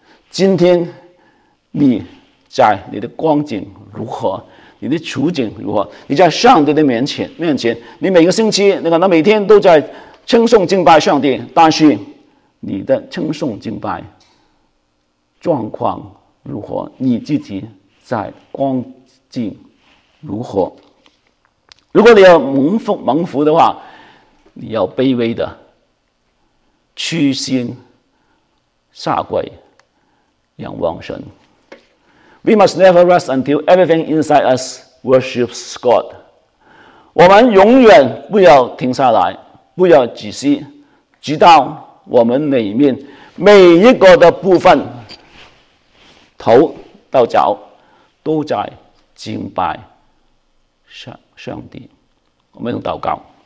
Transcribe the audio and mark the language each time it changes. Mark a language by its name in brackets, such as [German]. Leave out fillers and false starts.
[Chinese] 今天你在你的光景如何，你的处境如何，你在上帝的面前，你每个星期你可能每天都在称颂敬拜上帝，但是你的称颂敬拜状况如何，你自己在光景如何。如果你要蒙福的话，你要卑微的屈心下跪仰望神。 [English] We must never rest until everything inside us worships God。 [Chinese] 我们永远不要停下来，不要止息，直到我们里面每一个的部分，头到脚都在敬拜上帝。我们用祷告。